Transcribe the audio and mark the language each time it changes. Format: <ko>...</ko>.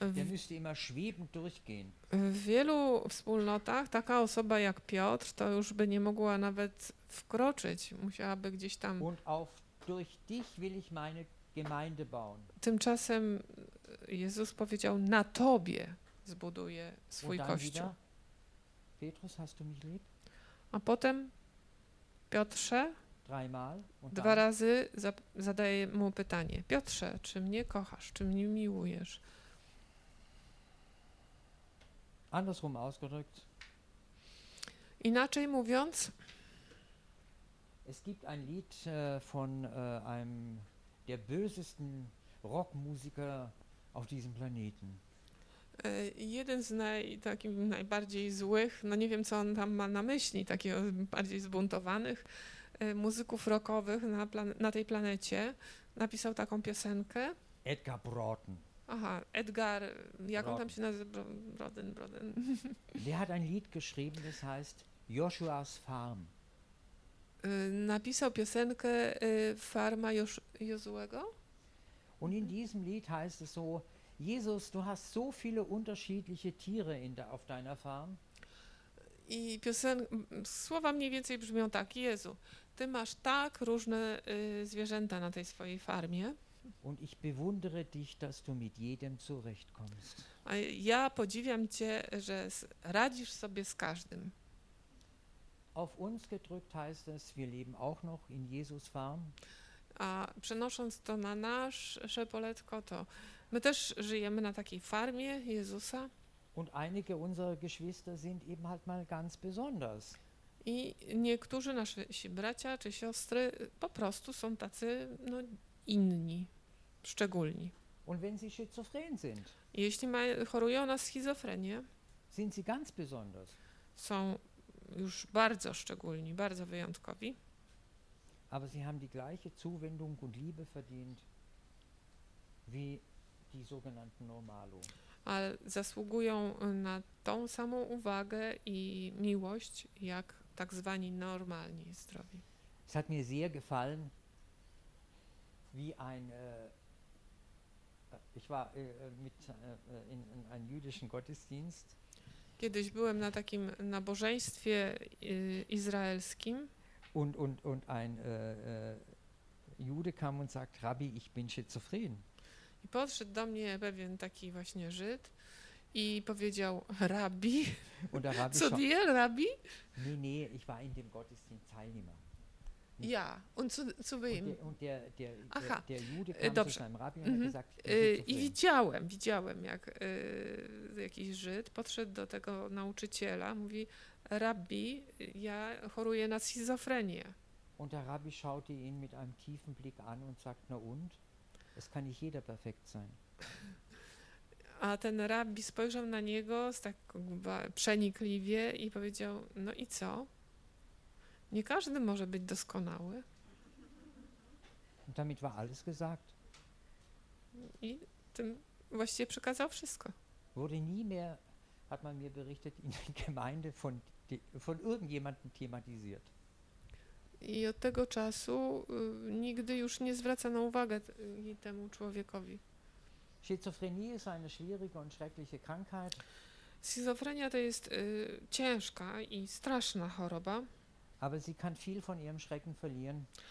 <de>Der müsste immer schwebend durchgehen.</de> <pl>W wielu wspólnotach taka osoba jak Piotr to już by nie mogła nawet wkroczyć, musiałaby gdzieś tam.</pl> <de>Und auf durch dich will ich meine Gemeinde bauen.</de> <pl>Tymczasem Jezus powiedział, na tobie zbuduję swój kościół.</pl> <de>Petrus, hast du mich lieb?</de> <pl>A potem Piotrze dwa razy zadaje mu pytanie. Piotrze, czy mnie kochasz, czy mnie miłujesz?</pl> <de>Andersrum ausgedrückt.</de> <pl>Inaczej mówiąc,</pl> <de>es gibt ein Lied von einem der bösesten Rockmusiker auf diesem Planeten.</de> <pl>Jeden z najbardziej złych, no nie wiem, co on tam ma na myśli, takich bardziej zbuntowanych muzyków rockowych na tej planecie, napisał taką piosenkę.</pl> <de>Edgar Broughton.</de> <pl>Aha, Edgar, jak Broughton. On tam się nazywa? Broughton.</pl> <de>Der hat ein Lied geschrieben, das heißt Joshua's Farm.</de> <pl>Napisał piosenkę Farma Jozuego.</pl> <de>Und in diesem Lied heißt es so, Jesus, du hast so viele unterschiedliche Tiere auf deiner Farm.</de> <pl>I słowa mniej więcej brzmią tak, Jezu, ty masz tak różne zwierzęta na tej swojej farmie.</pl> <de>Und ich bewundere dich, dass du mit jedem zurechtkommst.</de> <pl>A ja podziwiam cię, że radzisz sobie z każdym.</pl> <de>Auf uns gedrückt heißt es, wir leben auch noch in Jesus Farm.</de> <pl>A przenosząc to na nasze poletko, to my też żyjemy na takiej farmie Jezusa.</pl> <de>Und einige unserer Geschwister sind eben halt mal ganz besonders.</de> <pl>I niektórzy nasi bracia czy siostry po prostu są tacy no, inni, szczególni.</pl> <de>Und wenn sie schizophren sind,</de> <pl>jeśli chorują na schizofrenię,</pl> <de>sind sie ganz besonders.</de> <pl>Są już bardzo szczególni, bardzo wyjątkowi.</pl> <de>Aber sie haben die gleiche Zuwendung und Liebe verdient wie die sogenannten Normalo.</de> <pl>Ale zasługują na tą samą uwagę i miłość jak tak zwani normalni zdrowi.</pl> <de>Es hat mir sehr gefallen, wie ein ich war mit in einem jüdischen Gottesdienst.</de> <pl>Kiedyś byłem na takim nabożeństwie izraelskim.</pl> <de>Und ein Jude kam und sagt: Rabbi, ich bin schizophren.</de> <pl>I podszedł do mnie pewien taki właśnie Żyd i powiedział: Rabbi,</pl> <de>und der Rabbi</de> <pl>co wie, Rabbi?</pl> <de>Nee, ich war in dem Gottesdienst Teilnehmer. Ja, und zu wem? Aha, der Jude kam</de> <pl>dobrze.</pl> <de>Zu Rabbi, mhm. Gesagt,</de> <pl>i widziałem, jak jakiś Żyd podszedł do tego nauczyciela, mówi: Rabbi, ja choruję na schizofrenię.</pl> <de>Und der Rabbi schaute ihn mit einem tiefen Blick an und sagt: Na und? Es kann nicht jeder perfekt sein.</de> <pl>A ten Rabbi spojrzał na niego tak przenikliwie i powiedział: No i co? Nie każdy może być doskonały.</pl> <de>Und damit war alles gesagt.</de> <pl>I tym właściwie przekazał wszystko.</pl> <de>Wurde nie mehr, hat man mir berichtet, in der Gemeinde von irgendjemandem thematisiert.</de> <pl>I od tego czasu nigdy już nie zwraca na uwagę temu człowiekowi.</pl> <de>Schizophrenie ist eine schwierige und schreckliche Krankheit.</de> <pl>Schizofrenia to jest ciężka i straszna choroba.</pl> <de>Aber sie kann viel von ihrem Schrecken verlieren.</de>